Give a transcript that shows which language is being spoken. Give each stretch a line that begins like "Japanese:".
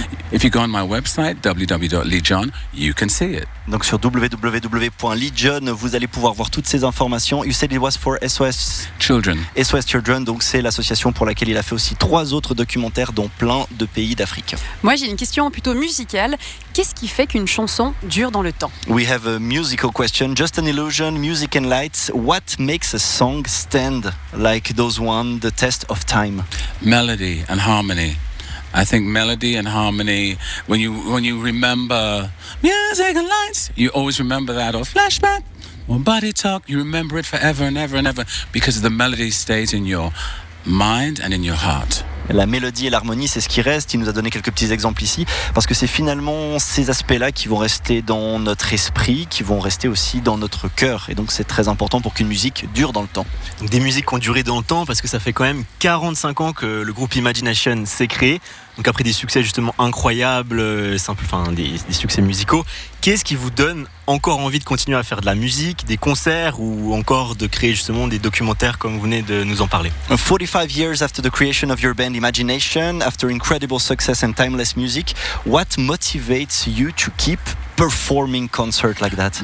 English: If you go on my website, www.leejohn, you can see it.
French: Donc sur www.leejohn, vous allez pouvoir voir toutes ces informations.
English: You said it was for SOS Children.
French: SOS Children, donc c'est l'association pour laquelle il a fait aussi 3 autres documentaires, dont plein de pays d'Afrique. Moi, j'ai une question plutôt musicale. Qu'est-ce qui fait qu'une chanson dure dans le temps?
English: We have a musical question. Just an illusion, music and lights. What makes a song stand like those ones, the test of time? Melody and harmony. I think melody and harmony, when you remember music and lights, you always remember that, or flashback, or body talk, you remember it forever and ever and ever, because the melody stays in your mind and in your heart.
French: La mélodie et l'harmonie, c'est ce qui reste. Il nous a donné quelques petits exemples ici, parce que c'est finalement ces aspects-là qui vont rester dans notre esprit, qui vont rester aussi dans notre cœur. Et donc, c'est très important pour qu'une musique dure dans le temps. Donc, des musiques qui ont duré dans le temps, parce que ça fait quand même 45 ans que le groupe Imagination s'est créé. Donc, après des succès justement incroyables, simples, enfin, des succès musicaux, qu'est-ce qui vous donne encore envie de continuer à faire de la musique, des concerts ou encore de créer justement des documentaires comme vous venez de nous en parler?
English: 45 years after the creation of your band Imagination, after incredible success and timeless music, what motivates you to keep performing concert like that?